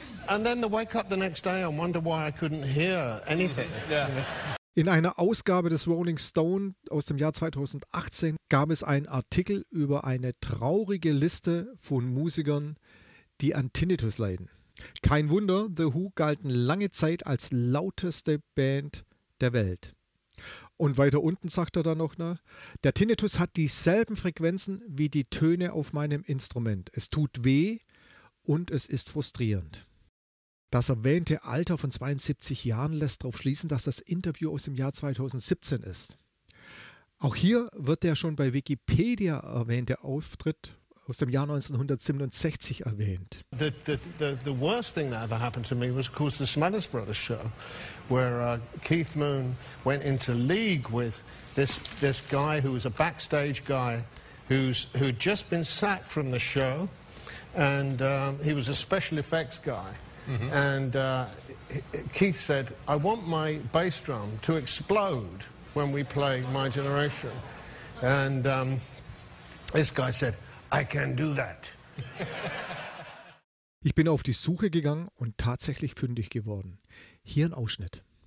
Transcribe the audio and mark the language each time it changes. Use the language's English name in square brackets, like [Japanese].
[English] and then they wake up the next day and wonder why I couldn't hear anything. Yeah. [German] In einer Ausgabe des Rolling Stone aus dem Jahr 2018 gab es einen Artikel über eine traurige Liste von Musikern, die an Tinnitus leiden. Kein Wunder, The Who galten lange Zeit als lauteste Band der Welt. Und weiter unten sagt er dann noch, ne, der Tinnitus hat dieselben Frequenzen wie die Töne auf meinem Instrument. Es tut weh und es ist frustrierend. Das erwähnte Alter von 72 Jahren lässt darauf schließen, dass das Interview aus dem Jahr 2017 ist. Auch hier wird der schon bei Wikipedia erwähnte Auftritt aus dem Jahr 1967 erwähnt. [English] The worst thing that ever happened to me was, of course, the Smothers Brothers Show, where Keith Moon went into league with this guy who was a backstage guy who'd just been sacked from the show, and he was a special effects guy. Mm-hmm. And Keith said, I want my bass drum to explode when we play My Generation. And this guy said, I can do that. [German] Ich bin auf die Suche gegangen und tatsächlich fündig geworden. Hier ein Ausschnitt.